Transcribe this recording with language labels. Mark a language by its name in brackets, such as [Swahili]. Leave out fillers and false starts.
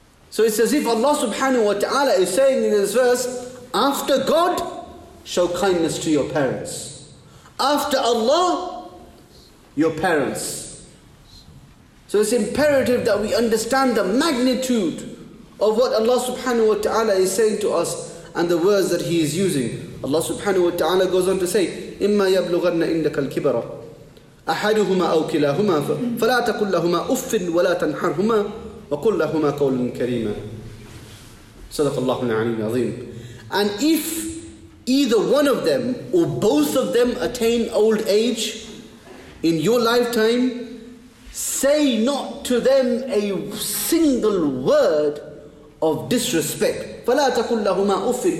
[English] So it's as if Allah subhanahu wa ta'ala is saying in this verse, after God, show kindness to your parents. After Allah, your parents. So it's imperative that we understand the magnitude of what Allah subhanahu wa ta'ala is saying to us and the words that He is using. Allah subhanahu wa ta'ala goes on to say, [Arabic] إِمَّا يَبْلُغَنَّ إِنَّكَ الْكِبَرَ أَحَدُهُمَا أَوْ كِلَاهُمَا فَلَا تَقُلْ لَهُمَا أُفٍّ وَلَا تَنْحَرْهُمَا وَقُلْ لَهُمَا قَوْلٌ كَرِيمًا. صدق الله العليم العظيم. [English] And if either one of them or both of them attain old age in your lifetime, say not to them a single word of disrespect. [Arabic] فَلَا تَقُلْ لَهُمَا أُفٍ.